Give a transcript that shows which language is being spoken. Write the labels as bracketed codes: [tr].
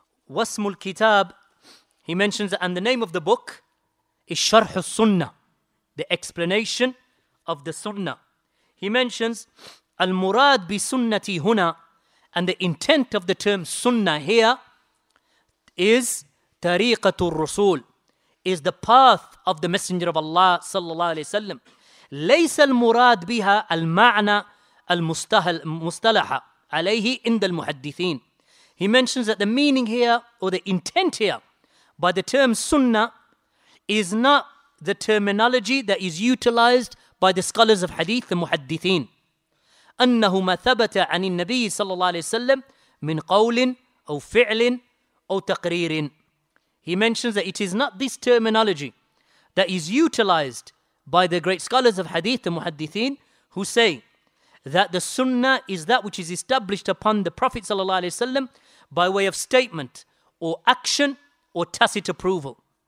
[ar] وَاسْمُ الْكِتَابِ, [en] he mentions that, and the name of the book is Sharhus sunnah, the explanation of the sunnah. He mentions [ar] المراد بسنتي هنا, [en] and the intent of the term sunnah here is [ar] طريقة الرسول, [en] is the path of the messenger of Allah sallallahu alayhi wa sallam. [ar] ليس المراد بها المعنى المصطلح عليه عند المحدثين. [en] He mentions that the meaning here, or the intent here, by the term sunnah is not the terminology that is utilized by the scholars of hadith, the muhaddithin. [ar] أنه ما ثبت عن النبي صلى الله عليه وسلم من قول أو فعل أو تقرير. [en] He mentions that it is not this terminology that is utilized by the great scholars of hadith, the muhaddithin, who say that the sunnah is that which is established upon the Prophet sallallahu alaihi wasallam by way of statement or action or tacit approval.